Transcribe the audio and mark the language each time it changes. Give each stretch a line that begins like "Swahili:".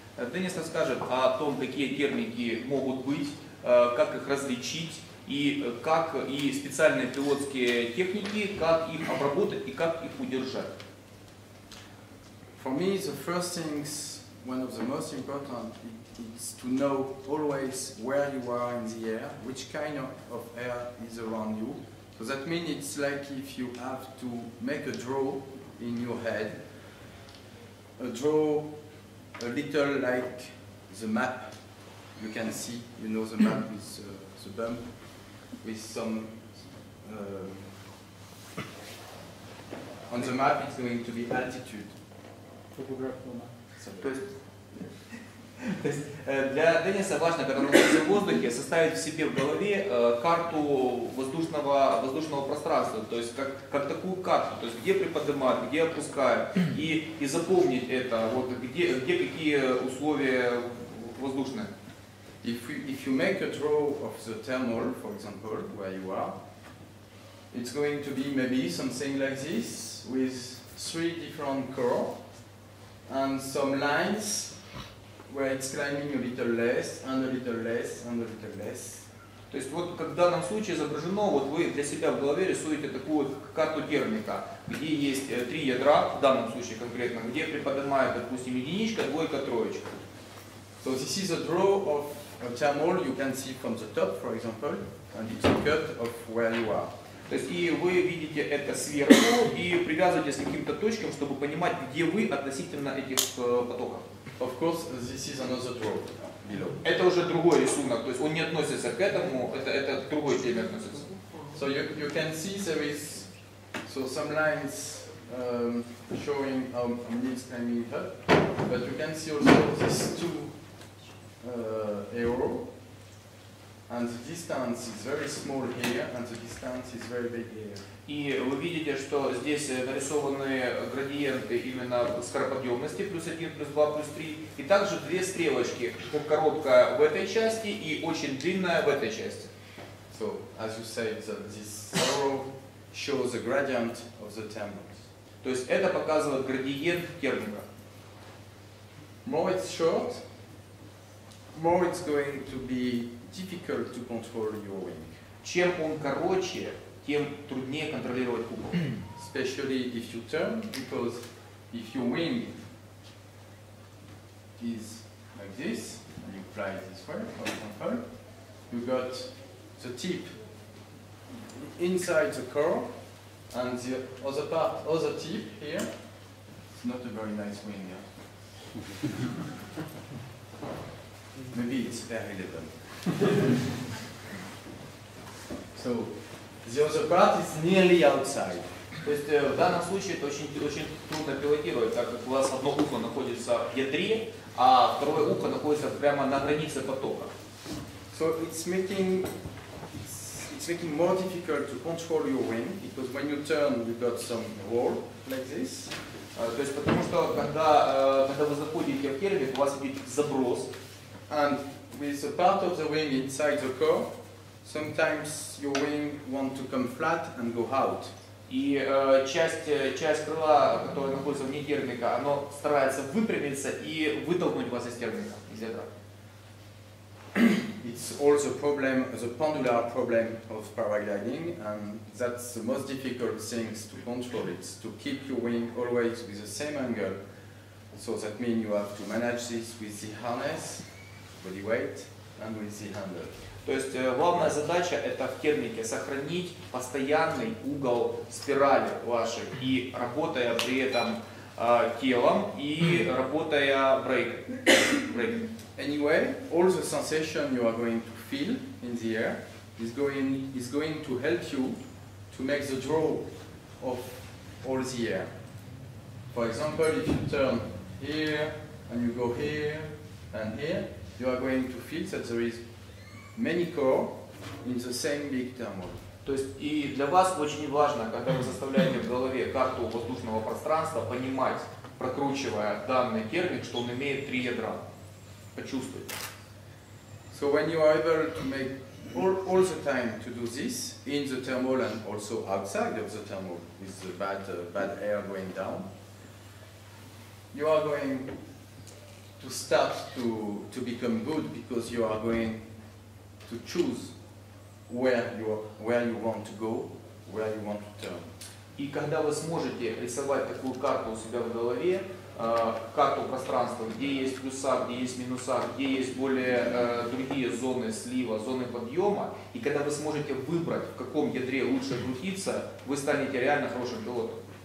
Russian: Денис расскажет о том, какие термики могут быть, как их различить, и как и специальные пилотские техники, как их обработать и как их удержать.
English: For me, the first things, one of the most important, it's to know always where you are in the air, which kind of air is around you. So that means it's like if you have to make a draw in your head, a draw a little like the map you can see, you know, the map with the bump, with some... On the map it's going to be altitude.
Russian: То есть для Дениса важно, когда он находится в воздухе, составить в себе в голове карту воздушного пространства, то есть как такую карту, то есть где приподнимают, где опускают, и запомнить это, вот где какие условия воздушные.
English: If you make a draw of the thermal, for example, where you are, it's going to be maybe something like this, with three different curves and some lines, where it's climbing a little less, and a little less, and a little less.
Russian: То есть вот как в данном случае изображено, вот вы для себя в голове рисуете такую вот карту термика, где есть три ядра, в данном случае конкретно, где приподнимают, допустим, единичка, двойка, троечка.
English: So this is a draw of a thermal you can see from the top, for example, and it's a cut of where you are.
Russian: То есть и вы видите это сверху и привязываетесь к каким-то точкам, чтобы понимать, где вы относительно этих потоков.
English: Of course, this is another draw.
Russian: Это уже другой рисунок, то есть он не относится к этому, это к другой теме относится.
English: So you can see there is so some lines showing I'm explaining it, but you can see also this 2 euro and the distance is very small here and the distance is very big here.
Russian: И вы видите, что здесь нарисованы градиенты именно скороподъемности, плюс 1, плюс 2, плюс 3. И также две стрелочки, как короткая в этой части и очень длинная в этой части.
English: So, as you say, that this arrow shows the gradient of the terminals.
Russian: То есть это показывает градиент термина.
English: More it's short, more it's going to be difficult to control your wing.
Russian: Чем он короче, тем труднее контролировать кубок.
English: Especially if you turn, because if your wing is like this, and you fly this way, for example, you got the tip inside the core, and the other part, other tip here, it's not a very nice wing, yeah? Maybe it's very little. So, the other part is nearly outside.
Russian: То есть в данном случае это очень трудно пилотировать, так как у вас одно ухо находится в ядре, а второе ухо находится прямо на границе потока.
English: So it's making more difficult to control your wing, because when you turn you got some roll like this.
Russian: То есть потому что когда вы заходите в термин, у вас будет заброс.
English: And with the part of the wing inside the core, sometimes your wing want to come flat and go out.
Russian: И часть крыла, которая находится вне термика, оно старается выпрямиться и вытолкнуть вас из термика, из ядра.
English: It's also problem, the pendular problem of paragliding, and that's the most difficult thing to control. It's to keep your wing always with the same angle. So that means you have to manage this with the harness, body weight, and with the handle.
Russian: То есть главная задача это в термике сохранить постоянный угол спирали вашей и работая при этом телом и работая брейком.
English: Anyway, all the sensation you are going to feel in the air is going to help you to make the draw of all the air. For example, if you turn here and you go here and here, you are going to feel that there is many core in the same big terminal.
Russian: То есть и для вас очень важно, когда вы составляете в голове карту воздушного пространства, понимать, прокручивая данный термин, что он имеет три ядра. Почувствуйте.
English: So when you are able to make all the time to do this in the thermal and also outside of the thermal with the bad air going down, you are going to start to become good because you are going to choose where you want to go, where you want to turn.
Russian: И когда вы сможете рисовать такую карту у себя в голове, карту пространства, где есть плюса, где есть минуса, где есть более другие зоны слива, зоны подъема, и когда вы сможете выбрать, в каком ядре лучше крутиться, вы станете реально хорошим пилотом.